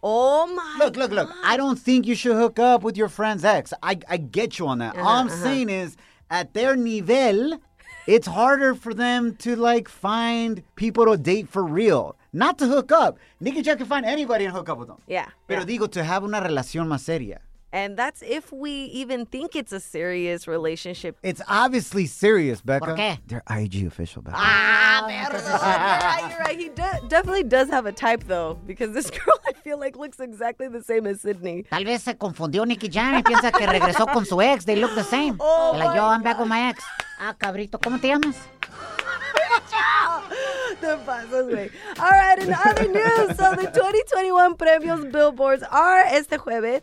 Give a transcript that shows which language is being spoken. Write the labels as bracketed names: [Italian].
[English] Oh, my look, look, look. God. I don't think you should hook up with your friend's ex. I get you on that. Uh-huh, all I'm saying is, at their nivel, it's harder for them to, like, find people to date for real. Not to hook up. Nicky Jam can find anybody and hook up with them. Yeah. [Spanish] Pero digo, [English] to have [Spanish] una relación más seria. [English] And that's if we even think it's a serious relationship. It's obviously serious, Becca. [Spanish] ¿Por qué? [English] They're IG official, Becca. [Spanish] Ah, merda. [English] Yeah, you're right. He definitely does have a type, though, because this girl, I feel like, looks exactly the same as Sidney. [Spanish] Tal vez se confundió Nicky Jam y piensa que regresó con su ex. [English] They look the same. Oh, like, yo, God. I'm back with my ex. Ah, [Spanish] cabrito, ¿cómo te llamas? [English] All right, in other news, so the 2021 Premios Billboards are [Spanish] este jueves.